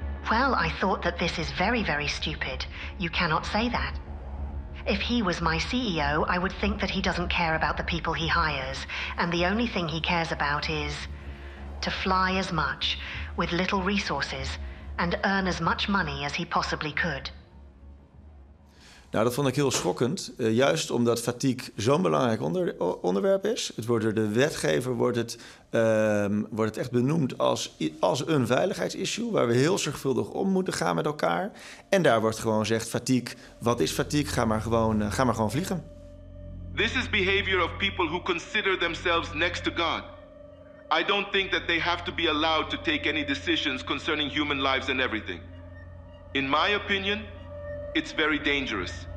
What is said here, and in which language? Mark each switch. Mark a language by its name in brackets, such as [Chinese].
[English] Well, I thought that this is very, very stupid. You cannot say that. If he was my CEO, I would think that he doesn't care about the people he hires, and the only thing he cares about is to fly as much, with little resources, and earn as much money as he possibly could. [Dutch] Nou, dat vond ik heel schokkend, juist omdat fatigue zo'n belangrijk onderwerp is. Het wordt door de wetgever wordt het echt benoemd als een veiligheidsissue, waar we heel zorgvuldig om moeten gaan met elkaar. En daar wordt gewoon gezegd, fatigue, wat is fatigue? Ga maar gewoon vliegen. [English] This is behavior of people who consider themselves next to God. I don't think that they have to be allowed to take any decisions concerning human lives and everything. In my opinion, it's very dangerous.